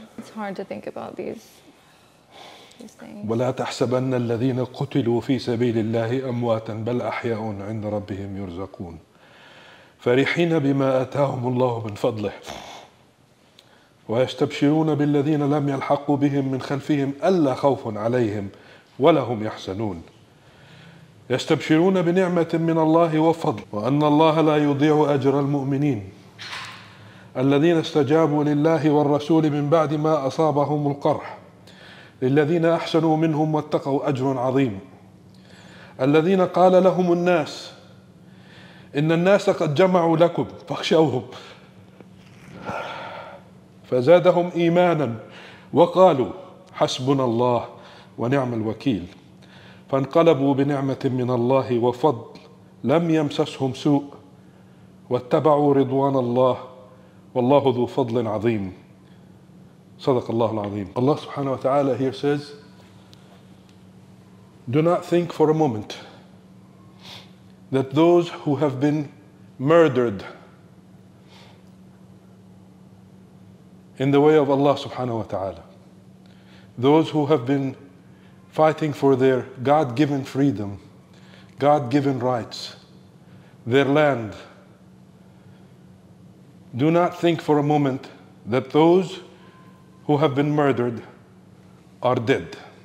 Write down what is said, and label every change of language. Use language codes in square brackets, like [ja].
[en] hard to think about these things. [ar] وَلَا تَحْسَبَنَّ الَّذِينَ قُتِلُوا فِي سَبِيلِ اللَّهِ أَمْوَاتًا بَلْ أَحْيَاءٌ عِنْدَ رَبِّهِمْ يُرْزَقُونَ فَرِحِينَ بِمَا أَتَاهُمُ اللَّهُ مِنْ فَضْلِهِ وَيَسْتَبْشِرُونَ بِالَّذِينَ لَمْ يَلْحَقُوا بِهِمْ مِنْ خَلْفِهِمْ أَلَّا خَوْفٌ عَلَيْهِمْ وَلَا هُمْ يَحْزَنُونَ يَسْتَبْشِرُونَ بِنِعْمَةٍ مِنْ اللَّهِ وَفَضْلٍ وَأَنَّ اللَّهَ لَا يُضِيعُ أَجْرَ الْمُؤْمِنِينَ الذين استجابوا لله والرسول من بعد ما أصابهم القرح للذين أحسنوا منهم واتقوا أجر عظيم الذين قال لهم الناس إن الناس قد جمعوا لكم فاخشوهم فزادهم إيمانا وقالوا حسبنا الله ونعم الوكيل فانقلبوا بنعمة من الله وفضل لم يمسسهم سوء واتبعوا رضوان الله والله ذو فضل عظيم صدق الله العظيم. [en] Allah subhanahu wa ta'ala here says, do not think for a moment that those who have been murdered in the way of Allah subhanahu wa ta'ala, those who have been fighting for their God-given freedom, God-given rights, their land, do not think for a moment that those who have been murdered are dead.